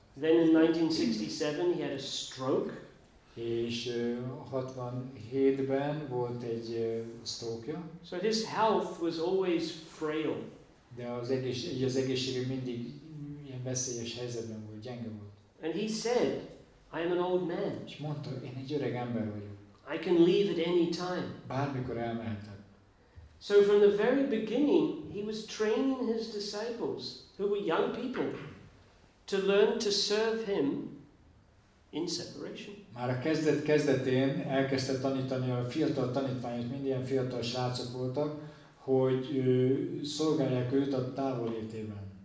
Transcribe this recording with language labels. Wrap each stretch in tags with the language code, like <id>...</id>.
<en>Then in 1967 he had a stroke.</en> <hu>És 67-ben volt egy stroke-ja.</hu> <en>So his health was always frail.</en> <hu>De az egészsége mindig ilyen veszélyes helyzetben volt, gyenge volt.</hu> <en>And he said, I am an old man.</en> <hu>És mondta, én egy öreg ember vagyok.</hu> <en>I can leave at any time.</en> <hu>Bármikor elmehetek.</hu> <en>So from the very beginning, he was training his disciples, who were young people, to learn to serve him in separation.</en> <hu>Már a kezdetén elkezdte tanítani a fiatal tanítványait, mind ilyen fiatal srácok voltak, hogy szolgálják őt a távolétében.</hu>